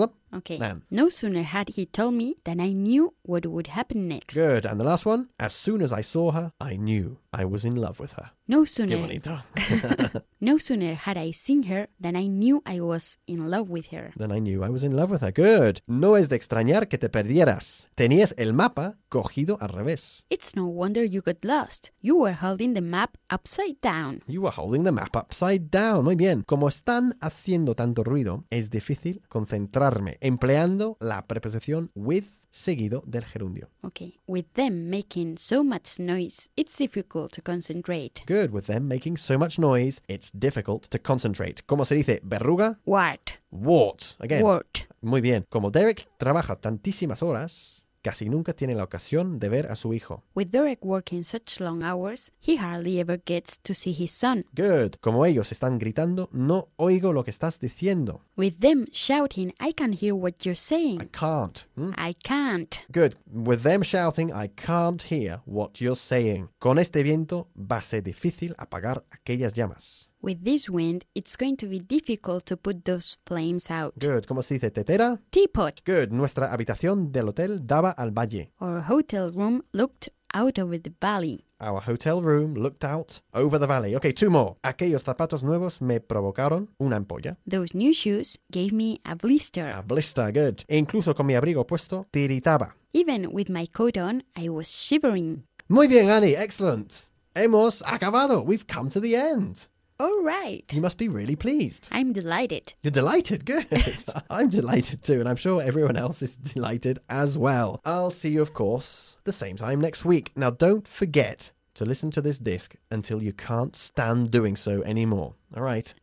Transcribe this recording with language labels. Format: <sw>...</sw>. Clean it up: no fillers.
<en>Okay. Then. No sooner had he told me than I knew what would happen next. Good. And the last one. As soon as I saw her, I knew I was in love with her. No sooner...</en> <es>Qué bonito.</es> <en>No sooner had I seen her than I knew I was in love with her. Then I knew I was in love with her. Good.</en> <es>No es de extrañar que te perdieras. Tenías el mapa cogido al revés.</es> <en>It's no wonder you got lost. You were holding the map upside down. You were holding the map upside down.</en> <es>Muy bien. Como están haciendo tanto ruido, es difícil concentrarme empleando la preposición with seguido del gerundio.</es> <en>Okay. With them making so much noise, it's difficult to concentrate. Good. With them making so much noise, it's difficult to concentrate.</en> <es>¿Cómo se dice verruga?</es> <en>Wart. Wart. Again. Wart.</en> <es>Muy bien. Como Derek trabaja tantísimas horas, casi nunca tiene la ocasión de ver a su hijo.</es> <en>With Derek working such long hours, he hardly ever gets to see his son. Good.</en> <es>Como ellos están gritando, no oigo lo que estás diciendo.</es> <en>With them shouting, I can't hear what you're saying. I can't. I can't. Good. With them shouting, I can't hear what you're saying.</en> <es>Con este viento va a ser difícil apagar aquellas llamas.</es> <en>With this wind, it's going to be difficult to put those flames out.</en> <es>Good. ¿Cómo se dice tetera?</es> <en>Teapot. Good.</en> <es>Nuestra habitación del hotel daba al valle.</es> <en>Our hotel room looked out over the valley. Our hotel room looked out over the valley. Okay, two more.</en> <es>Aquellos zapatos nuevos me provocaron una ampolla.</es> <en>Those new shoes gave me a blister. A blister, good.</en> <es>E incluso con mi abrigo puesto, tiritaba.</es> <en>Even with my coat on, I was shivering.</en> <es>Muy bien,</es> <en>Annie. Excellent.</en> <es>Hemos acabado.</es> <en>We've come to the end. All right. You must be really pleased. I'm delighted. You're delighted? Good. I'm delighted too, and I'm sure everyone else is delighted as well. I'll see you, of course, the same time next week. Now, don't forget to listen to this disc until you can't stand doing so anymore. All right?</en>